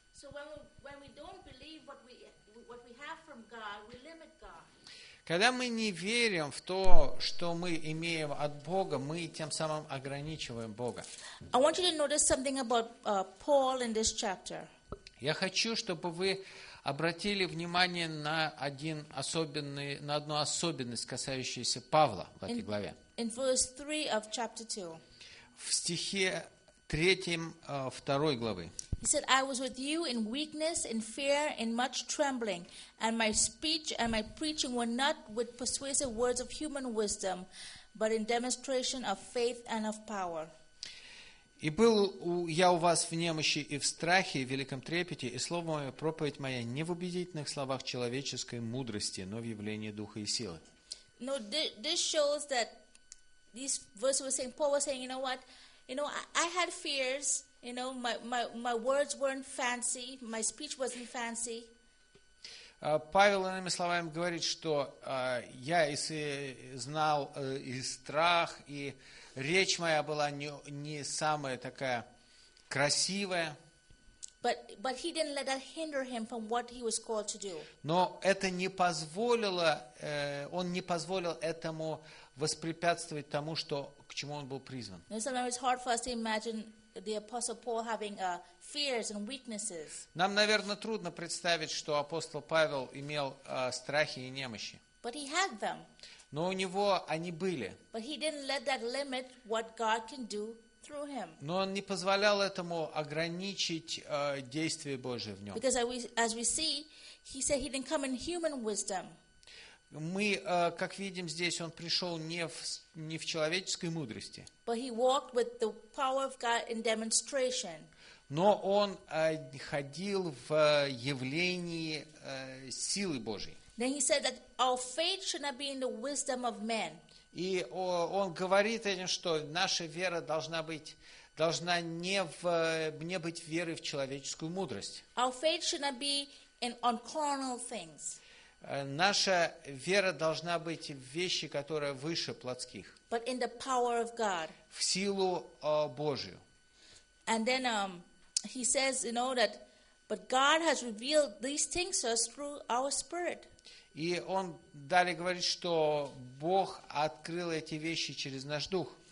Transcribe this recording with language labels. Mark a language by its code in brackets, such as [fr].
[en] So when we don't believe what we have from God, we limit. [ru] Когда мы не верим в то, что мы имеем от Бога, мы тем самым ограничиваем Бога. [en] I want you to notice something about Paul in this chapter. [ru] Я хочу, чтобы вы обратили внимание на одну особенность, касающуюся Павла в этой главе. [en] In verse 3 of chapter 2. [ru] В стихе 3 второй главы. [en] He said, "I was with you in weakness, in fear, in much trembling, and my speech and my preaching were not with persuasive words of human wisdom, but in demonstration of faith and of power." [ru] И был я у вас в немощи и в страхе, и в великом трепете, и слово мое, проповедь моя не в убедительных словах человеческой мудрости, но в явлении духа и силы. [en] No, this shows that these verses were saying, Paul was saying, you know, I had fears. You know, my words weren't fancy, my speech wasn't fancy. [ru] Павел иными словами говорит, что я знал и страх, и речь моя была не самая такая красивая. [en] But he didn't let that hinder him from what he was called to do. [ru] Но это не позволило, он не позволил этому воспрепятствовать тому, что к чему он был призван. [en] And sometimes it's hard for us to imagine the apostle Paul having fears and weaknesses. [ru] Нам, наверное, трудно представить, что апостол Павел имел страхи и немощи. [en] But he had them. [ru] Но у него они были. [en] But he didn't let that limit what God can do through him. [ru] Но он не позволял этому ограничить действие Божие в нем. [en] Because as we see, he said he didn't come in human wisdom. [ru] Мы, как видим здесь, он пришел не в человеческой мудрости. [en] But he walked with the power of God in demonstration. [ru] Но он ходил в явлении силы Божьей. [en] Then he said that our faith should not be in the wisdom of men. [ru] И он говорит этим, что наша вера должна не быть верой в человеческую мудрость. [en] Our faith should not be on carnal things. [ru] Наша вера должна быть в вещи, которые выше плотских. [en] But in the power of God. [ru] В силу Божию. [en] And then he says, you know, that but God has revealed these things to us through our spirit. [ru] И он далее говорит, что Бог открыл эти вещи через наш дух.